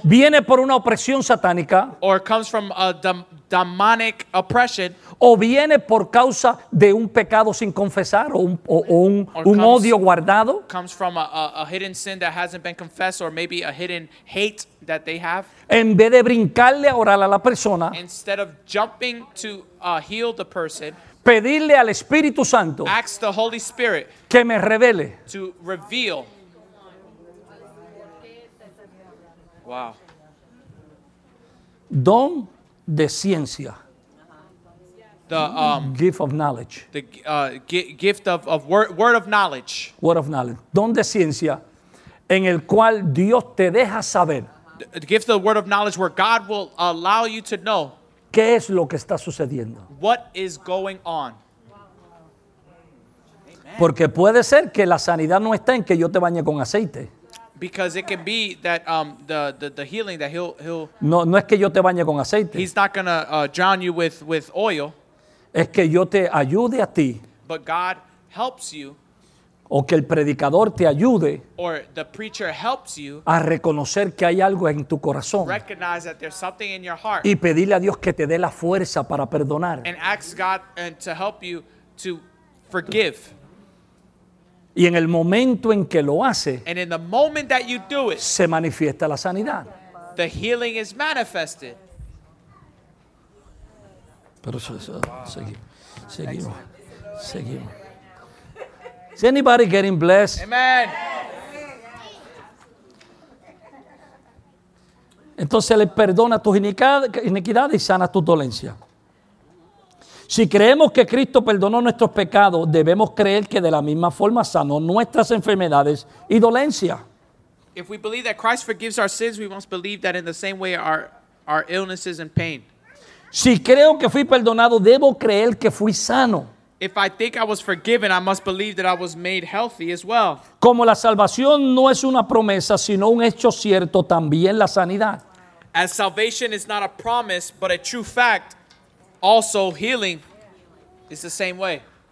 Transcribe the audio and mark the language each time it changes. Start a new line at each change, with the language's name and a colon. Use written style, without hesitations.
Spanish: viene por una opresión satánica,
English: or comes from a demonic oppression,
Spanish: o viene por causa de un pecado sin confesar o un odio guardado,
English: comes from a hidden sin that hasn't been confessed, or maybe a hidden hate that they have,
Spanish: en vez de brincarle a orar a la persona,
English: instead of jumping to heal the person,
Spanish: pedirle al Espíritu Santo,
English: ask the Holy Spirit,
Spanish: que me revele,
English: to reveal. Wow.
Spanish: Don de ciencia.
English: The gift of knowledge. The gift of word of knowledge. Word of knowledge.
Spanish: Don de ciencia en el cual Dios te deja saber.
English: The gift of the word of knowledge where God will allow you to know.
Spanish: ¿Qué es lo que está sucediendo?
English: What is going on?
Spanish: Porque puede ser que la sanidad no está en que yo te bañe con aceite.
English: Because it can be that the healing that he'll
Spanish: no es que yo te bañe con aceite.
English: He's not going to drown you with oil.
Spanish: Es que yo te ayude a ti.
English: But God helps you.
Spanish: O que el predicador te ayude,
English: or the preacher helps you,
Spanish: a reconocer que hay algo en tu corazón,
English: recognize that there's something in your heart,
Spanish: y pedirle a Dios que te dé la fuerza para perdonar,
English: and ask God and to help you to forgive.
Spanish: Y en el momento en que lo hace,
English: and in the moment that you do it,
Spanish: se manifiesta la sanidad.
English: The healing is manifested.
Spanish: Pero eso, seguimos.
English: Is anybody getting blessed? Amen.
Spanish: Entonces le perdona tus iniquidades y sana tus dolencias. Si creemos que Cristo perdonó nuestros pecados, debemos creer que de la misma forma sanó nuestras enfermedades y dolencias.
English: If we believe that Christ forgives our sins, we must believe that in the same way our illnesses and pain.
Spanish: Si creo que fui perdonado, debo creer que fui sano.
English: If I think I was forgiven, I must believe that I was made healthy as well.
Spanish: Como la salvación no es una promesa, sino un hecho cierto, también la sanidad.
English: As salvation is not a promise, but a true fact, also healing is the same way.